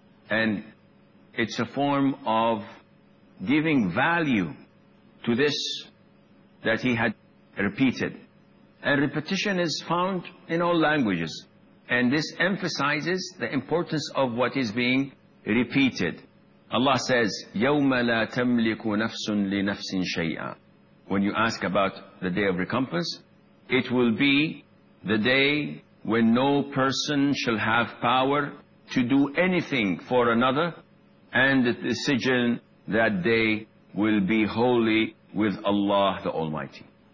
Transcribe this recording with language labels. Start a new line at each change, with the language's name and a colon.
English: And it's a form of giving value to this that He had repeated. And repetition is found in all languages. And this emphasizes the importance of what is being repeated.
Arabic: Allah says, يَوْمَ لَا تَمْلِكُ نَفْسٌ لِنَفْسٍ شَيْئًا.
English: When you ask about the Day of Recompense, it will be the day when no person shall have power to do anything for another, and the decision that day will be holy with Allah the Almighty.